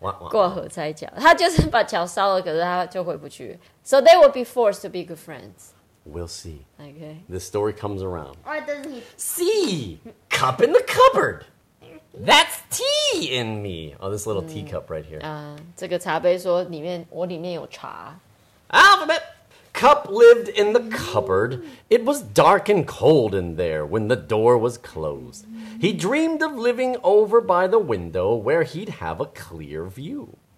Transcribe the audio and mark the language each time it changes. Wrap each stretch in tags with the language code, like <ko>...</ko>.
<zh>过河拆桥，他就是把桥烧了，可是他就回不去。</zh> <en>So they would be forced to be good friends. We'll see. Okay. The story comes around. Why doesn't he? See, cup in the cupboard. That's tea in me. Oh, this little teacup right here.</en> <zh>这个茶杯说里面我里面有茶。</zh> <en>Alphabet. Cup lived in the cupboard. It was dark and cold in there when the door was closed. He dreamed of living over by the window where he'd have a clear view.</en>